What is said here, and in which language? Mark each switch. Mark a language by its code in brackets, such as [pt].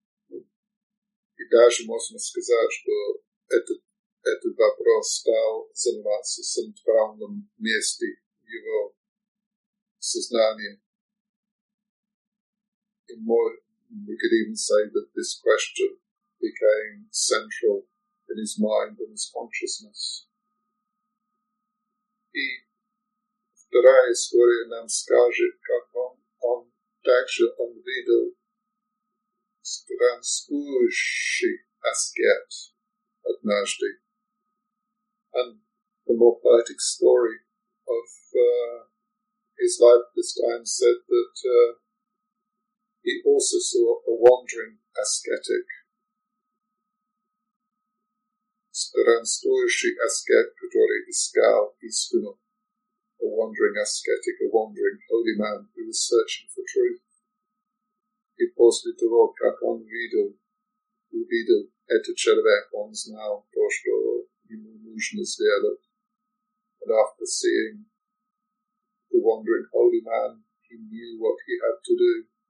[ru] И даже можно сказать, что этот вопрос стал заниматься центральным местом его сознания. [en] And more, we could even say that this question became central in his mind and his consciousness. [ru] И вторая история нам скажет, как он также он видел странствующий аскет однажды. [en] And the more poetic story of his life this time said that he also saw a wandering ascetic. [ru] Странствующий аскет, который искал истину. [en] A wandering ascetic, a wandering holy man who was searching for truth. [ru] И после того, как он видел этот человек, он знал то, что ему нужно сделать. [en] And after seeing the wandering holy man, he knew what he had to do.